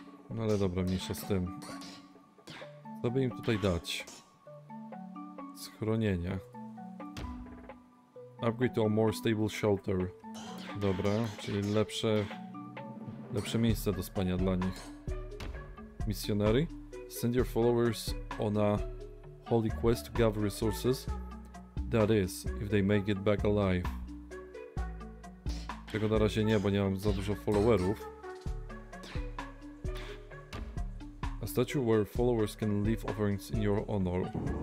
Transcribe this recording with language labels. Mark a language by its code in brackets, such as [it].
[pl] No ale dobra, mniejsza z tym. Co by im tutaj dać? Schronienie. [en] Upgrade to a more stable shelter. [pl] Dobra, czyli lepsze lepsze miejsca do spania dla nich. [en] Missionary, send your followers on a holy quest to gather resources. That is, if they make it back alive. [pl] Tego na razie nie, bo nie mam za dużo followerów. [en] A statue where followers can leave offerings in your honor.